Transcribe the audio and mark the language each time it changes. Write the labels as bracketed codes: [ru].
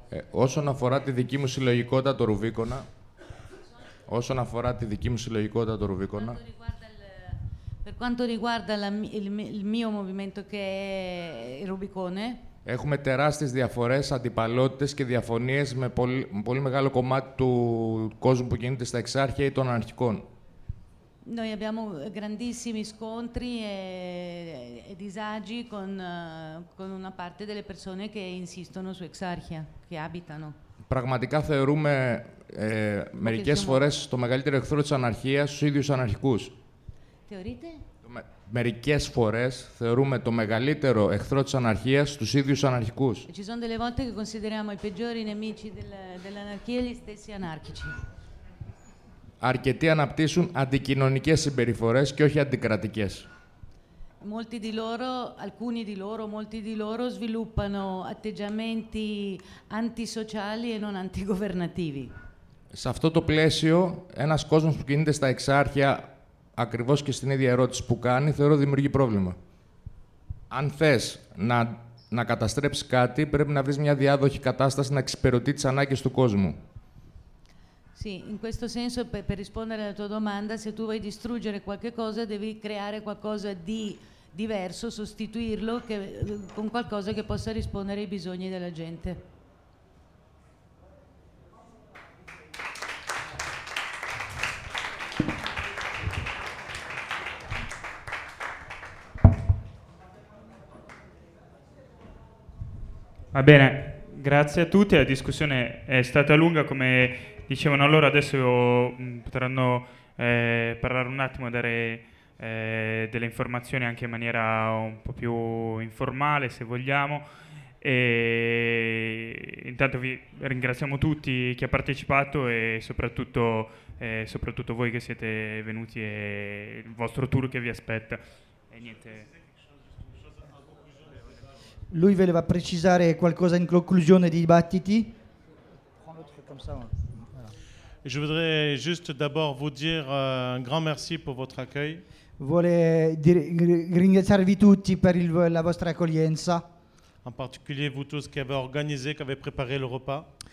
[el] Όσον αφορά τη δική μου συλλογικότητα το Ρουβίκονα, [it] per quanto riguarda il mio movimento che è il Rubicone, [el] έχουμε τεράστιες διαφορές, αντιπαλότητες και διαφωνίες με πολύ μεγάλο κομμάτι του κόσμου που κινείται στα Εξάρχεια ή των Αναρχικών. [it] Noi abbiamo grandissimi scontri e disagi con una parte delle persone che insistono su Εξάρχεια, che abitano. [el] Πραγματικά θεωρούμε μερικές φορές το μεγαλύτερο εχθρό της αναρχίας στους ίδιους αναρχικούς. Θεωρείτε? Μερικές φορές θεωρούμε το μεγαλύτερο εχθρό της αναρχίας στους ίδιους αναρχικούς. [it] Ci sono delle volte che consideriamo i peggiori nemici dell'anarchia gli stessi anarchici. [el] Αρκετοί αναπτύσσουν αντικοινωνικές συμπεριφορές και όχι αντικρατικές. [it] Molti di loro, alcuni di loro, molti di loro sviluppano atteggiamenti antisociali e non antigovernativi. [el] Σε αυτό το πλαίσιο, ένας κόσμος που κινείται στα Εξάρχεια, ακριβώς και στην ίδια ερώτηση που κάνει, θεωρώ δημιουργεί πρόβλημα. Αν θες να καταστρέψεις κάτι, πρέπει να βρεις μια διάδοχη κατάσταση να εξυπηρετεί τις ανάγκες του κόσμου. [it] Sì, in questo senso, per rispondere alla tua domanda, se tu vuoi distruggere qualche cosa, devi creare qualcosa di diverso, sostituirlo con qualcosa che possa rispondere ai bisogni della gente. Va bene, grazie a tutti. La discussione è stata lunga, come dicevano loro, adesso potranno parlare un attimo, dare delle informazioni anche in maniera un po' più informale, se vogliamo. E intanto vi ringraziamo tutti chi ha partecipato e soprattutto voi che siete venuti e il vostro tour che vi aspetta. E niente. Lui voleva precisare qualcosa in conclusione dei dibattiti? [fr] Je voudrais juste d'abord vous dire un grand merci pour votre accueil. [it] Ringraziarvi tutti per la vostra accoglienza. [fr] En particulier vous tous qui avez organisé, qui avez préparé le repas.